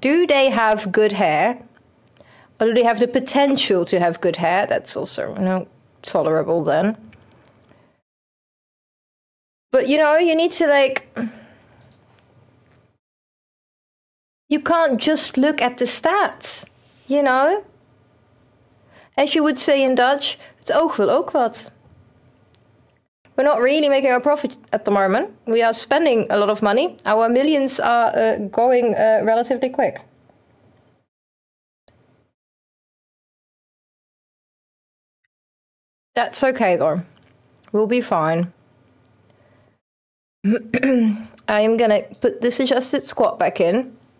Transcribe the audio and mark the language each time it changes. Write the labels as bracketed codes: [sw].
[en] Do they have good hair? Or do they have the potential to have good hair? That's also, you know, tolerable then. But, you know, you need to, like... You can't just look at the stats, you know? As you would say in Dutch, [nl] het oog wil ook wat. [en] We're not really making a profit at the moment. We are spending a lot of money. Our millions are going relatively quick. That's okay, though. We'll be fine. I am going to put this adjusted squat back in.